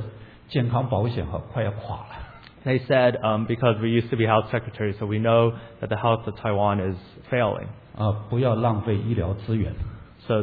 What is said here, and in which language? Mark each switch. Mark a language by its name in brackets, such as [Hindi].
[Chinese] 他们说哈，因为我们当过这个职位做这种事啊，我们知道台湾的健康保险哈快要垮了。They [English] said because we used to be health secretary, so we know that the health of Taiwan is failing. [Chinese] 不要浪费医疗资源。So